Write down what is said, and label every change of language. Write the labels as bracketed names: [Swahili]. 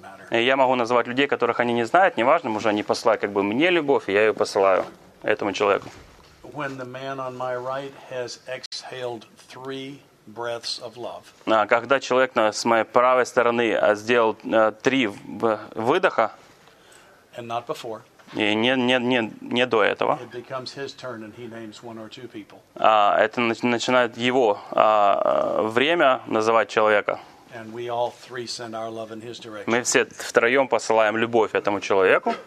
[Russian] И я могу называть людей, которых они не знают, неважно, может они посылают как бы мне любовь, и я ее посылаю этому человеку. [English] When the man on my right has exhaled three breaths of love. [Russian] Когда человек с моей правой стороны сделал три выдоха. [English] And not before. [Russian] И не до этого. [English] It becomes his turn and he names one or two people. [Russian] Это начинает его время называть человека. [English] And we all three send our love in his direction. [Russian] Мы все втроем посылаем любовь этому человеку.